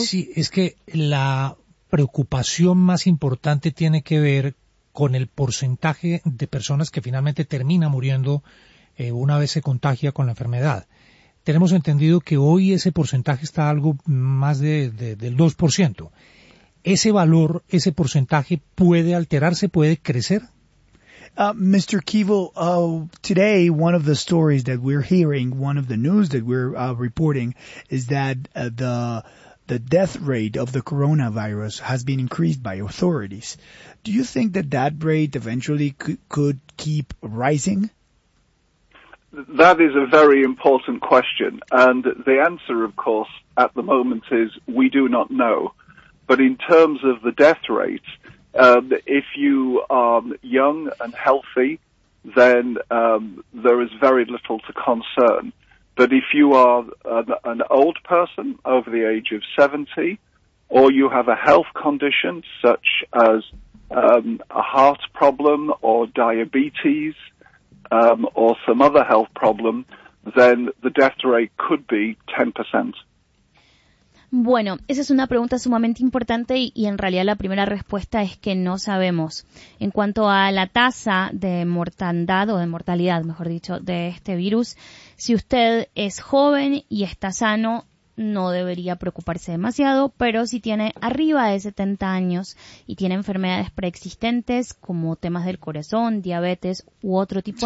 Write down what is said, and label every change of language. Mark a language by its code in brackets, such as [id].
[es] Sí, es que la preocupación más importante tiene que ver con el porcentaje de personas que finalmente termina muriendo una vez se contagia con la enfermedad. Tenemos entendido que hoy ese porcentaje está algo más del 2%. ¿Ese valor, ese porcentaje puede alterarse, puede crecer? [en] Mr. Keevil, today one of the stories that we're hearing, one of the news that we're reporting, is that the death rate of the coronavirus has been increased by authorities. Do you think that rate eventually could keep rising? That is a very important question, and the answer, of course, at the moment is we do not know. But in terms of the death rate, if you are young and healthy, then there is very little to concern. But if you are an old person over the age of 70, or you have a health condition such as a heart problem or diabetes, or some other health problem, then the death rate could be 10%. [es] Bueno, esa es una pregunta sumamente importante y en realidad la primera respuesta es que no sabemos. En cuanto a la tasa de mortandad o de mortalidad, mejor dicho, de este virus, si usted es joven y está sano, no debería preocuparse demasiado, pero si tiene arriba de 70 años y tiene enfermedades preexistentes como temas del corazón, diabetes u otro tipo sí.